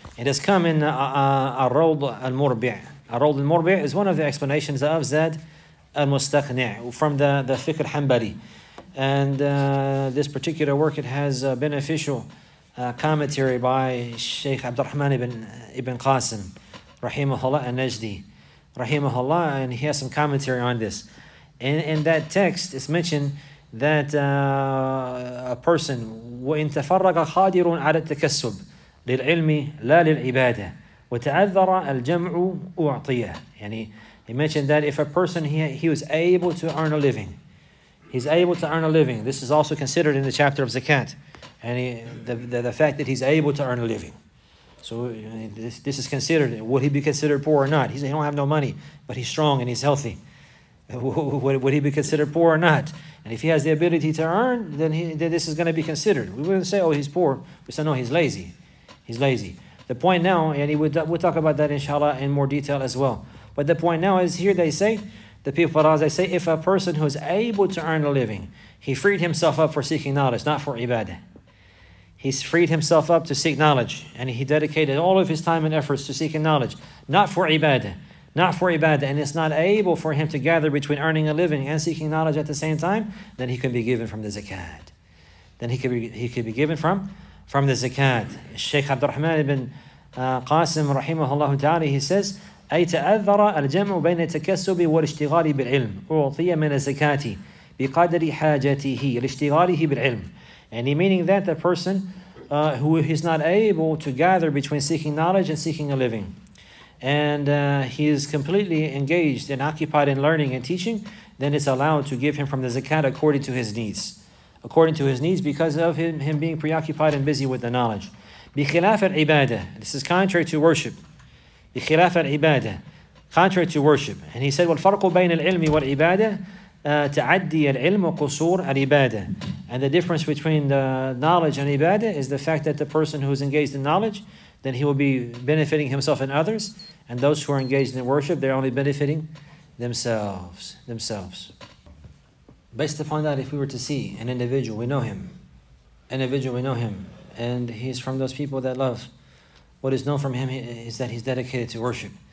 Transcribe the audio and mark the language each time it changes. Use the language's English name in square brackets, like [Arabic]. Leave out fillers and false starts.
[English] It has come in Ar-Rawd al-Murbi'. Ar-Rawd al-Murbi' is one of the explanations of Zad al-Mustaqni' from the Fiqh al-Hanbali. And this particular work, it has a beneficial commentary by Shaykh Abdurrahman ibn Qasim, rahimahullah al-Najdi, rahimahullah, and he has some commentary on this. In that text, it's mentioned that a person, [Arabic] وَإِن تَفَرَّقَ خَادِرٌ عَلَى التَّكَسُّبْ لِلْعِلْمِ لَا لِلْعِبَادَةِ وَتَعَذَّرَ الْجَمْعُ أُعْطِيَهِ. [English] Yani, he mentioned that if a person, he was able to earn a living. He's able to earn a living. This is also considered in the chapter of zakat. And the fact that he's able to earn a living. So this is considered. Would he be considered poor or not? He don't have no money, but he's strong and he's healthy. Would he be considered poor or not? And if he has the ability to earn, then this is going to be considered. We wouldn't say, oh, he's poor. We say, no, he's lazy. He's lazy. The point now, and we'll talk about that, inshallah, in more detail as well. But the point now is here they say, the people of Allah, they say, if a person who is able to earn a living, he freed himself up for seeking knowledge, not for ibadah. He's freed himself up to seek knowledge, and he dedicated all of his time and efforts to seeking knowledge, not for ibadah, not for ibadah, and it's not able for him to gather between earning a living and seeking knowledge at the same time, then he can be given from the zakat. Then he could be given from the zakat. Shaykh Abdurrahman ibn Qasim rahimahullah ta'ala, he says, [Arabic] أي تأذر الجمع بين التكسب والاشتغال بالعلم أعطي من الزكاة بقدر حاجته لاشتغاله بالعلم. [English] And meaning that the person who is not able to gather between seeking knowledge and seeking a living, and he is completely engaged and occupied in learning and teaching, then it's allowed to give him from the zakat according to his needs. According to his needs, because of him being preoccupied and busy with the knowledge. [Arabic] بخلاف العبادة, [English] this is contrary to worship. بخلاف العبادة, contrary to worship. And he said, [Arabic] والفرق بين العلم والعبادة تعدي العلم وقصور العبادة. [English] And the difference between the knowledge and ibadah is the fact that the person who is engaged in knowledge, then he will be benefiting himself and others, and those who are engaged in worship, they're only benefiting themselves. Based upon that, if we were to see an individual, we know him, and he's from those people that love, what is known from him is that he's dedicated to worship.